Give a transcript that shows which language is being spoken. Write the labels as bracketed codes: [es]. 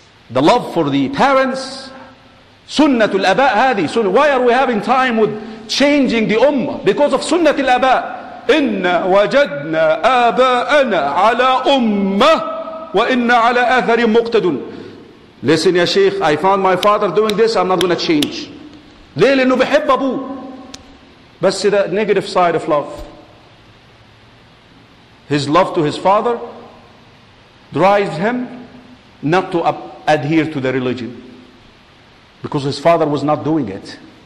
[en] The love for the parents, [ar] سنة الآباء هذه. [en] So why are we having time with changing the ummah? Because of [ar] سنة الآباء. إن وجدنا آباءنا على أمة وإن على آثر مقتد. [en] Listen [ar] يا شيخ, [en] I found my father doing this, I'm not going to change. [ar] ليه؟ لأنه بحب أبوه. بس [en] the negative side of love. His love to his father drives him not to adhere to the religion because his father was not doing it.